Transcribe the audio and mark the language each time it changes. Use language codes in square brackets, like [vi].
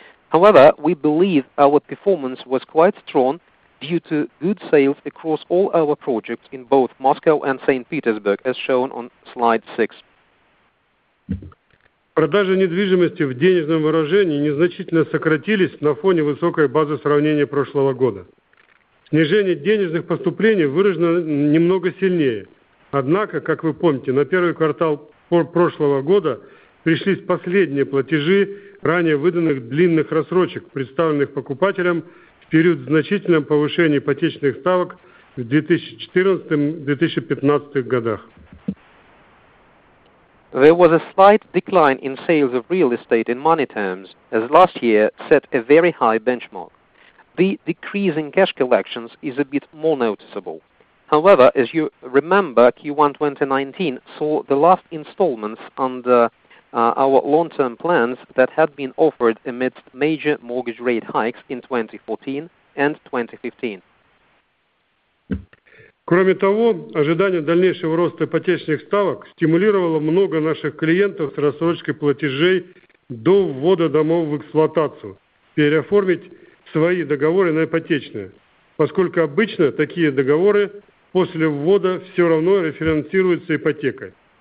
[en] However, we believe our performance was quite strong due to good sales across all our projects in both Moscow and St. Petersburg, as shown on slide 6. [ru] Продажи недвижимости в денежном выражении незначительно сократились на фоне высокой базы сравнения прошлого года. Снижение денежных поступлений выражено немного сильнее. Однако, как вы помните, на первый квартал прошлого года пришлись последние платежи ранее выданных длинных рассрочек, представленных покупателям в период значительного повышения ипотечных ставок в 2014-2015 годах. [en] There was a slight decline in sales of real estate in money terms, as last year set a very high benchmark. The decrease in cash collections is a bit more noticeable. However, as you remember, Q1 2019 saw the last installments under our long-term plans that had been offered amidst major mortgage rate hikes in 2014 and 2015. [ru] Кроме того, ожидание дальнейшего роста ипотечных ставок стимулировало много наших клиентов с рассрочкой платежей до ввода домов в эксплуатацию переоформить свои договоры на ипотечные, поскольку обычно такие договоры после ввода все равно рефинансируются ипотекой.